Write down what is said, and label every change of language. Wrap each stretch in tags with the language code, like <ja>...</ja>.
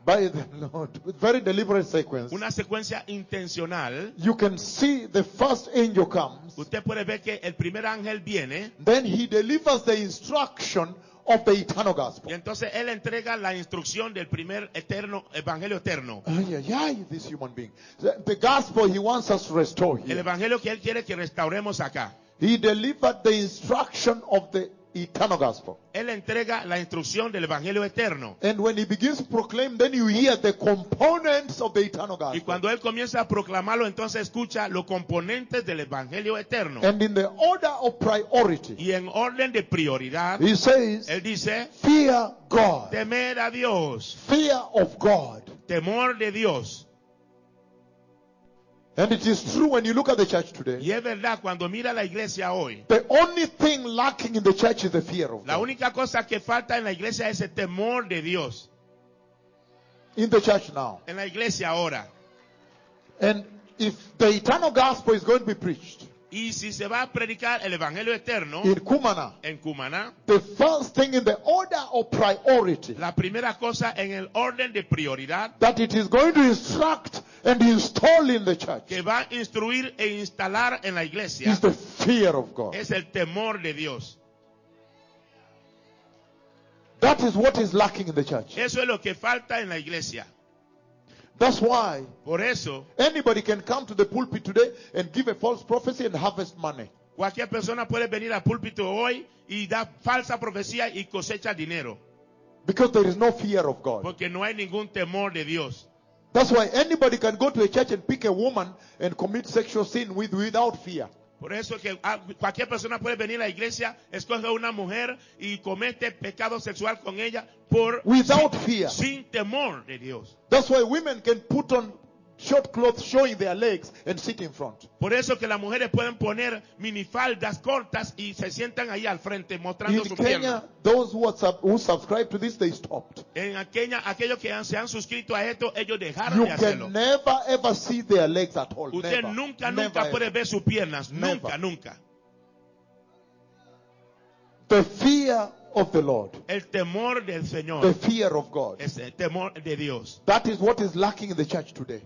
<en>By the Lord, very deliberate sequence.</en> <es>Una secuencia intencional.</es> <en>You can see the first angel comes.</en> <es>Usted puede ver que el primer ángel viene.</es> <en>Then he delivers the instruction of the eternal gospel.</en> <es>Y entonces él entrega la instrucción del primer eterno evangelio eterno.</es> <en>Ay, this human being. The gospel he wants us to restore here.</en> <es>El evangelio que él quiere que restauremos acá.</es> <en>He delivered the instruction of the eternal gospel.</en> <es>Él entrega la instrucción del evangelio eterno.</es> <en>And when he begins to proclaim, then you hear the components of the eternal gospel.</en> <es>Y cuando él comienza a proclamarlo, entonces escucha los componentes del evangelio eterno.</es> <en>And in the order of priority.</en> <es>Y en orden de prioridad.</es> <en>He says.</en> <es>Él dice.</es> <en>Fear God.</en> <es>Temer a Dios.</es> <en>Fear of God.</en> <es>Temor de Dios.</es> <en>And it is true when you look at the church today.</en> <es>Y es verdad, cuando mira la iglesia hoy,</es> <en>the only thing lacking in the church is the fear of</en> <es>la</es> <en>God.</en> <es>Única cosa que falta en la iglesia es el temor de Dios.</es> <en>In the church now.</en> <es>En la iglesia ahora.</es> <en>And if the eternal gospel is going to be preached.</en> <es>Y si se va a predicar el evangelio eterno.</es> <en>In Cumaná.</en> <es>En Cumaná.</es> <en>The first thing in the order of priority.</en> <es>La primera cosa en el orden de prioridad.</es> <en>That it is going to instruct and install in the church.</en> <es>Que va a instruir e instalar en la iglesia.</es> <en>Is the fear of God.</en> <es>Es el temor de Dios.</es> <en>That is what is lacking in the church.</en> <es>Eso es lo que falta en la iglesia.</es> <en>That's why.</en> <es>Por eso.</es> <en>Anybody can come to the pulpit today and give a false prophecy and harvest money.</en> <es>Cualquier persona puede venir al púlpito hoy y dar falsa profecía y cosecha dinero.</es> <en>Because there is no fear of God.</en> <es>Porque no hay ningún temor de Dios.</es> <en>That's why anybody can go to a church and pick a woman and commit sexual sin without fear.</en> <es>Por eso que cualquier persona puede venir a la iglesia, escoge una mujer y comete pecado sexual con ella por</es> <en>without fear.</en> <es>Sin temor de Dios.</es> <en>That's why women can put on short clothes showing their legs and sit in front.</en> <es>Por eso que las mujeres pueden poner minifaldas cortas y se sientan ahí al frente mostrando</es> <en>in</en> <es>su</es> <en>Kenya,</en> <es>pierna.</es> <en>Those who subscribe to this, they stopped.</en> <es>En Kenia, aquellos que se han suscrito a esto, ellos dejaron</es> <en>you</en> <es>de hacerlo.</es> <en>You can never ever see their legs at all.</en> <es>Usted</es> <en>never,</en> <es>nunca,</es> <en>never,</en> <es>nunca puede ver sus piernas.</es> <en>Never.</en> <es>Nunca, nunca.</es> <en>The fear of the Lord.</en> <es>El temor del Señor.</es> <en>The fear of God.</en> <es>Es el temor de Dios.</es> <en>That is what is lacking in the church today.</en>